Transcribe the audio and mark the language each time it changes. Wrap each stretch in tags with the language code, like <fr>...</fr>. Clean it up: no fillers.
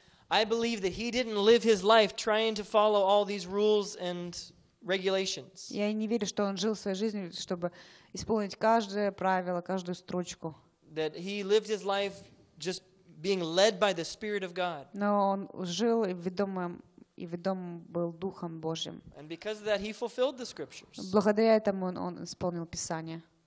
<en>I believe that he didn't live his life trying to follow all these rules and regulations.</en> <ru>Я не верю, что он жил своей жизнью, чтобы исполнить каждое правило, каждую строчку.</ru> <en>That he lived his life just being led by the Spirit of God.</en> <ru>Но он жил и ведом был Духом Божьим.</ru> <en>And because of that, he fulfilled the scriptures.</en> <ru>Благодаря этому он исполнил Писание.</ru>